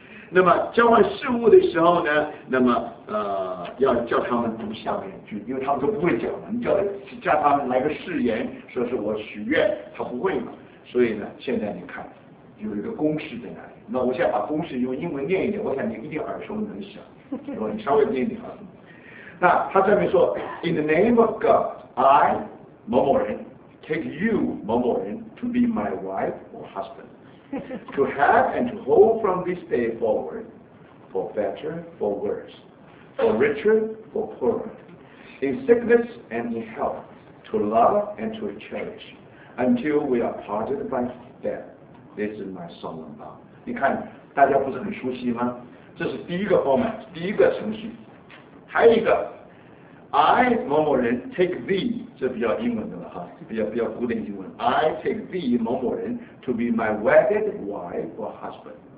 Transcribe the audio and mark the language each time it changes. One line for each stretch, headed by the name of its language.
Chinese: 那么交换事物的时候呢，那么要叫他们读下面一句，因为他们都不会讲嘛，你叫他们来个誓言，说是我许愿，他不会嘛。所以呢，现在你看有一个公式在那里，那我现在把公式用英文念一点，我想你一定耳熟能详，我你稍微念一点啊。那他上面说
English: ，In the name of God， I 某某人 take you 某某人 to be my wife or husband。 To have and to hold from this day forward, for better, for worse, for richer, for poorer, in sickness and in health, to love and to cherish, until we are parted by death. This is my solemn vow.
Chinese: 你看，大家不是很熟悉吗？这是第一个 format， 第一个程序。还有一个
English: ，I 某某人 take thee。
Chinese: 这比较英文的了哈，比较古典英文。
English: I take thee 某某人 to be my wedded wife or husband。